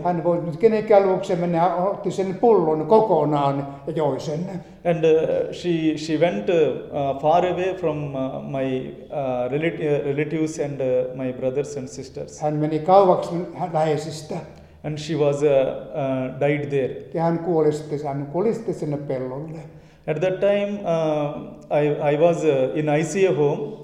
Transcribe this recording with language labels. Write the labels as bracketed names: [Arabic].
[Finnish] Hän voi nyt kenenkään luokseen mennä, otti sen pullon kokonaan ja joi sen. [English] And she went far away from my relatives and my brothers and sisters. [Finnish] Hän meni kauaksi läheisistä. [English] And she was died there. [Finnish] Ja hän kuoli sitten, sinne pellolle. [English] At that time I was in ICA home.